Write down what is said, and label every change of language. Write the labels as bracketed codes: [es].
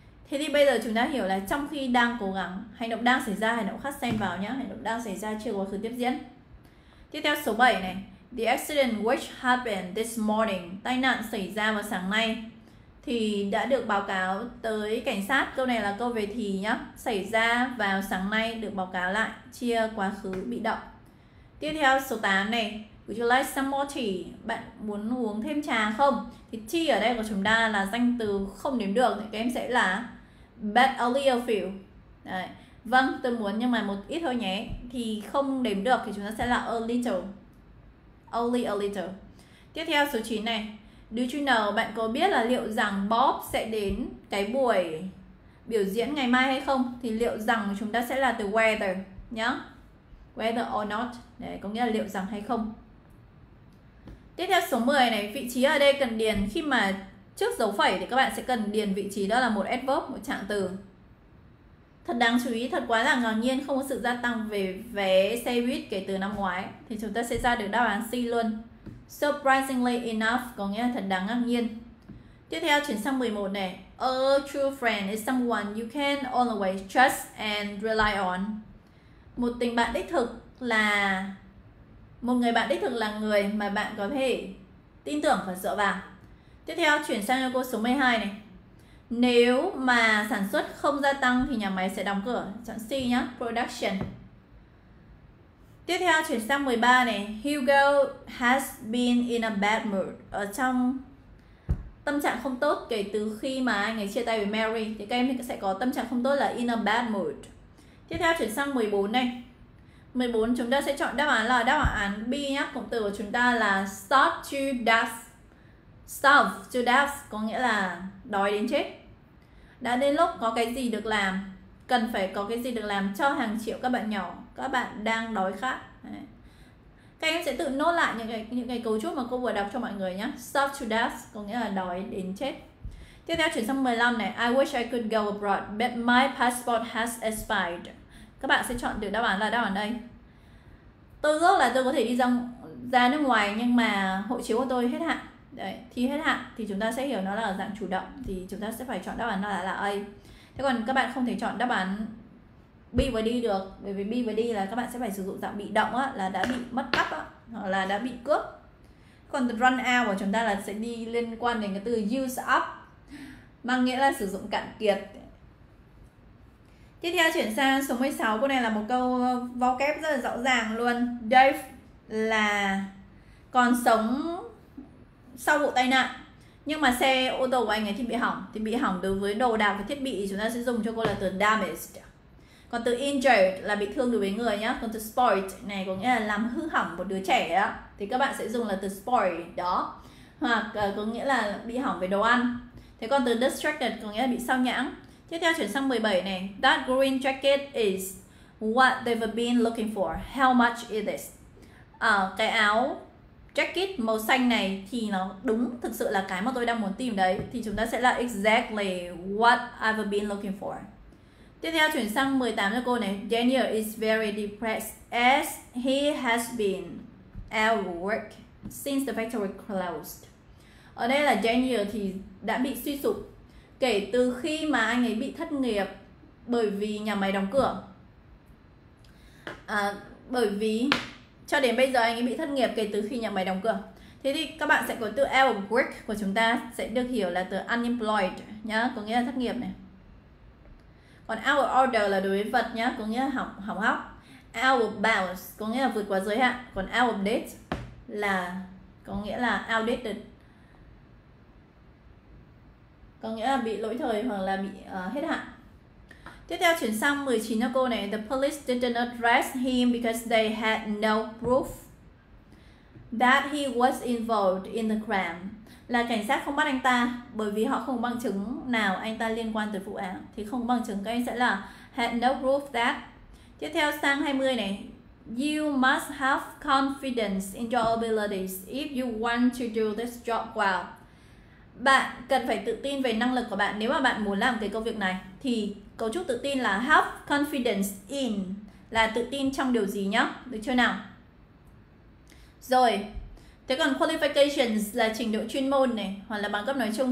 [vi] Thế thì bây giờ chúng ta hiểu là trong khi đang cố gắng, hành động đang xảy ra, hành động khác xen vào nhá, hành động đang xảy ra chưa có sự tiếp diễn. Tiếp theo số 7 này, the accident which happened this morning, tai nạn xảy ra vào sáng nay, thì đã được báo cáo tới cảnh sát. Câu này là câu về thì nhá, xảy ra vào sáng nay, được báo cáo lại, chia quá khứ bị động. [en] Tiếp theo số 8 này, would you like some more tea? [vi] Bạn muốn uống thêm trà không? Thì tea ở đây của chúng ta là danh từ không đếm được, thì các em sẽ là but only a few. Đấy. Vâng, tôi muốn nhưng mà một ít thôi nhé. Thì không đếm được thì chúng ta sẽ là a little. Only a little. Tiếp theo số 9 này, do you know, bạn có biết là liệu rằng Bob sẽ đến cái buổi biểu diễn ngày mai hay không? Thì liệu rằng chúng ta sẽ là từ whether nhá. Whether or not, đấy, có nghĩa là liệu rằng hay không. Tiếp theo số 10 này, vị trí ở đây cần điền, khi mà trước dấu phẩy thì các bạn sẽ cần điền vị trí đó là một adverb, một trạng từ. Thật đáng chú ý, thật quá là ngạc nhiên, không có sự gia tăng về vé xe buýt kể từ năm ngoái, thì chúng ta sẽ ra được đáp án C luôn. Surprisingly enough, có nghĩa là thật đáng ngạc nhiên. [en] Tiếp theo chuyển sang 11 này, a true friend is someone you can always trust and rely on. [vi] Một tình bạn đích thực là một người bạn đích thực là người mà bạn có thể tin tưởng và dựa vào. Tiếp theo chuyển sang cho cô số 12 này, nếu mà sản xuất không gia tăng thì nhà máy sẽ đóng cửa. Chọn C nhá, production. Tiếp theo chuyển sang 13 này, Hugo has been in a bad mood, ở trong tâm trạng không tốt kể từ khi mà anh ấy chia tay với Mary. Thì các em sẽ có tâm trạng không tốt là in a bad mood. Tiếp theo chuyển sang 14 này, 14 chúng ta sẽ chọn đáp án là đáp án B nhé. Cụm từ của chúng ta là starve to death. Starve to death có nghĩa là đói đến chết. Đã đến lúc có cái gì được làm, cần phải có cái gì được làm cho hàng triệu các bạn nhỏ, các bạn đang đói khát. Các em sẽ tự nốt lại những cái cấu trúc mà cô vừa đọc cho mọi người nhé. Starve to death có nghĩa là đói đến chết. [en] Tiếp theo chuyển sang 15 này, I wish I could go abroad, but my passport has expired. [vi] Các bạn sẽ chọn được đáp án là đáp án đây. Tôi ước là tôi có thể đi ra nước ngoài nhưng mà hộ chiếu của tôi hết hạn. Đấy, thì hết hạn thì chúng ta sẽ hiểu nó là dạng chủ động, thì chúng ta sẽ phải chọn đáp án là A. Thế còn các bạn không thể chọn đáp án B và D được, bởi vì B và D là các bạn sẽ phải sử dụng dạng bị động á, là đã bị mất cắp á, hoặc là đã bị cướp. Còn run out của chúng ta là sẽ đi liên quan đến cái từ use up, mang nghĩa là sử dụng cạn kiệt. Tiếp theo chuyển sang số 16, câu này là một câu vo kép rất là rõ ràng luôn. Dave là còn sống sau vụ tai nạn, nhưng mà xe ô tô của anh ấy thì bị hỏng đối với đồ đạc và thiết bị chúng ta sẽ dùng cho cô là từ damaged. Còn từ injured là bị thương đối với người nhá. Còn từ spoiled này có nghĩa là làm hư hỏng một đứa trẻ đó, thì các bạn sẽ dùng là từ spoiled đó. Hoặc có nghĩa là bị hỏng về đồ ăn. Thế còn từ distracted có nghĩa là bị sao nhãng. [en] Tiếp theo chuyển sang 17 này, that green jacket is what they've been looking for, how much is this? [vi] Cái áo jacket màu xanh này thì nó đúng thực sự là cái mà tôi đang muốn tìm đấy, thì chúng ta sẽ là exactly what I've been looking for. [en] Tiếp theo chuyển sang 18 cho cô này, Daniel is very depressed as he has been at work since the factory closed. [vi] Ở đây là Daniel thì đã bị suy sụp kể từ khi mà anh ấy bị thất nghiệp bởi vì nhà máy đóng cửa. Bởi vì cho đến bây giờ anh ấy bị thất nghiệp kể từ khi nhà máy đóng cửa. Thế thì các bạn sẽ có từ out of work của chúng ta sẽ được hiểu là từ unemployed nhá, có nghĩa là thất nghiệp này. Còn out of order là đối với vật nhá, có nghĩa là hỏng hóc. Out of bounds có nghĩa là vượt quá giới hạn. Còn out of date là có nghĩa là outdated, có nghĩa là bị lỗi thời hoặc là bị hết hạn. [en] Tiếp theo chuyển sang 19 cho cô này, the police didn't arrest him because they had no proof that he was involved in the crime. [vi] Là cảnh sát không bắt anh ta bởi vì họ không có bằng chứng nào anh ta liên quan tới vụ án. Thì không có bằng chứng, các anh sẽ là had no proof that. Tiếp theo sang 20 này, [en] You must have confidence in your abilities if you want to do this job well. [vi] Bạn cần phải tự tin về năng lực của bạn nếu mà bạn muốn làm cái công việc này. Thì cấu trúc tự tin là have confidence in, là tự tin trong điều gì nhá, được chưa nào? Rồi, thế còn qualifications là trình độ chuyên môn này, hoặc là bằng cấp nói chung.